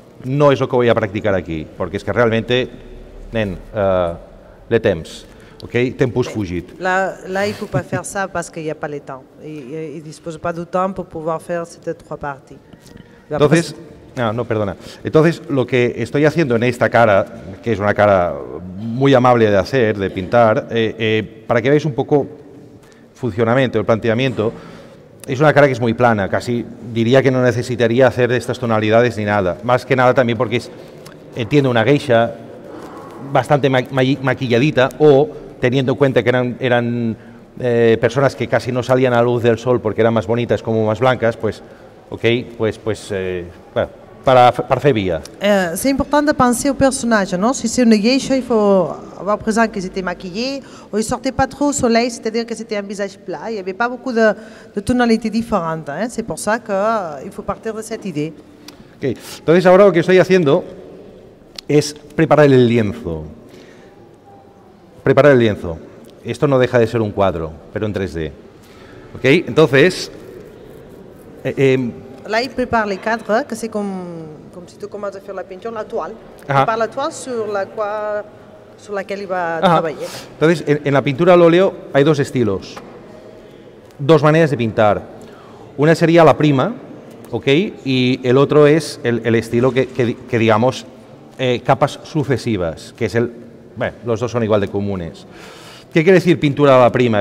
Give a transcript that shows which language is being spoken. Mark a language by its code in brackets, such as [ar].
[es] No es lo que voy a practicar aquí, porque es que realmente, nen, [fr] le temps, [es] ¿ok? [la] Tempus fugit. [fr] Là, il ne peut pas faire ça parce qu'il n'y a pas le temps. Il ne dispose pas du temps pour pouvoir faire ces trois parties. [es] Entonces, perdona. Entonces, lo que estoy haciendo en esta cara, que es una cara muy amable de hacer, de pintar, para que veáis un poco funcionamiento, el planteamiento. Es una cara que es muy plana, casi diría que no necesitaría hacer estas tonalidades ni nada. Más que nada también porque entiendo una geisha, bastante maquilladita, o teniendo en cuenta que eran personas que casi no salían a la luz del sol porque eran más bonitas, como más blancas, pues, ok, pues para [ca] fer via. [fr] C'est important de penser au personnage, non? Si c'est une geisha, il faut avoir présent qu'ils étaient maquillés, ou ils ne sortaient pas trop au soleil, c'est-à-dire que c'était un visage plat, il n'y avait pas beaucoup de tonalités différentes, hein? C'est pour ça qu'il faut partir de cette idée. [es] Ok, entonces ahora lo que estoy haciendo es preparar el lienzo. Preparar el lienzo. Esto no deja de ser un cuadro, pero en 3D. Ok, entonces... [fr] Là, il prépare les cadres, que c'est comme si tu commences à faire la peinture, la toile. Uh-huh. Il prépare la toile sur laquelle il va uh-huh. travailler. [es] Entonces, en la pintura al óleo hay dos estilos, dos maneras de pintar. Una sería la prima, ok, y el otro es el estilo que digamos, capas sucesivas, que es el... Bueno, los dos son igual de comunes. ¿Qué quiere decir pintura a la prima?